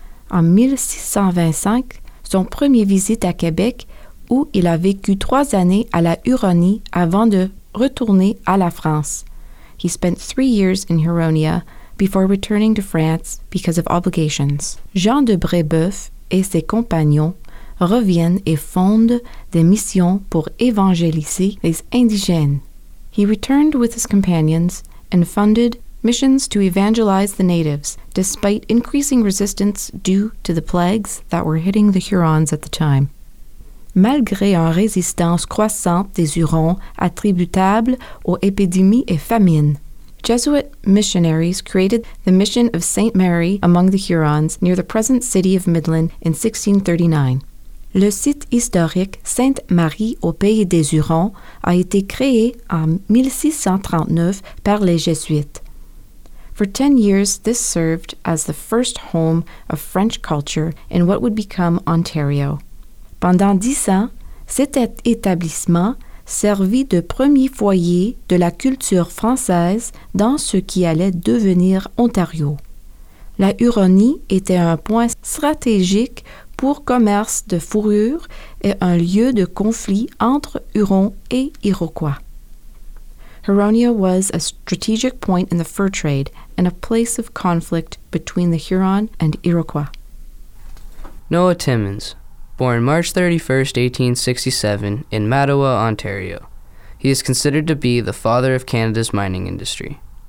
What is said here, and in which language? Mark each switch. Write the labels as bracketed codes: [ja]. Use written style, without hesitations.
[fr] En 1625, son premier visite à Québec, où il a vécu 3 années à la Huronie avant de retourner à la France. [en] He spent 3 years in Huronia before returning to France because of obligations. [fr] Jean de Brébeuf et ses compagnons reviennent et fondent des missions pour évangéliser les indigènes. [en] He returned with his companions and funded missions to evangelize the natives, despite increasing resistance due to the plagues that were hitting the Hurons at the time. [fr] Malgré une résistance croissante des Hurons attributable aux épidémies et famines, [en] Jesuit missionaries created the mission of St. Mary among the Hurons near the present city of Midland in 1639. [fr] Le site historique Sainte-Marie au Pays des Hurons a été créé en 1639 par les Jésuites. [en] For 10 years, this served as the first home of French culture in what would become Ontario. [fr] Pendant 10 ans, cet établissement servit de premier foyer de la culture française dans ce qui allait devenir Ontario. La Huronie était un point stratégique pour commerce de fourrures et un lieu de conflit entre Hurons et Iroquois. [en] Huronia was a strategic point in the fur trade and a place of conflict between the Huron and Iroquois. Noah Timmins, born March 31, 1867, in Mattawa, Ontario. He is considered to be the father of Canada's mining industry.